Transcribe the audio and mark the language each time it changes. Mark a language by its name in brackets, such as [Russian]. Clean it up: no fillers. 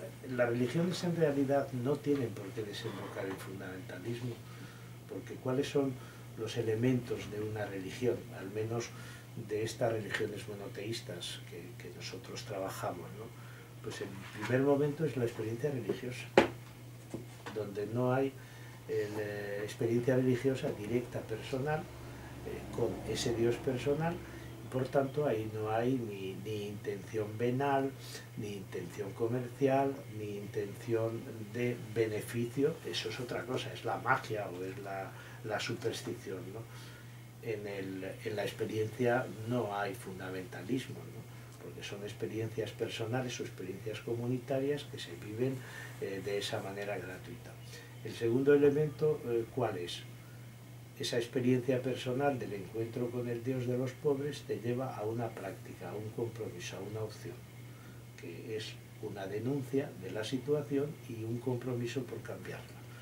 [Spanish] Las religiones en realidad no tienen por qué desembocar en fundamentalismo, porque ¿cuáles son los elementos de una religión, al menos de estas religiones monoteístas que nosotros trabajamos, ¿no? Pues en primer momento es la experiencia religiosa, donde no hay la experiencia religiosa directa personal con ese Dios personal, por tanto, [Portuguese] aí não há ni intenção venal, ni intenção comercial, ni intenção de benefício. Isso é outra coisa, é a magia ou é a superstição, ¿no? [Spanish] En la experiencia no hay fundamentalismo, ¿no? Porque son experiencias personales o experiencias comunitarias que se viven de esa manera gratuita. El segundo elemento, ¿cuál es? Esa experiencia personal del encuentro con el Dios de los pobres te lleva a una práctica, a un compromiso, a una opción, que es una denuncia de la situación y un compromiso por cambiarla.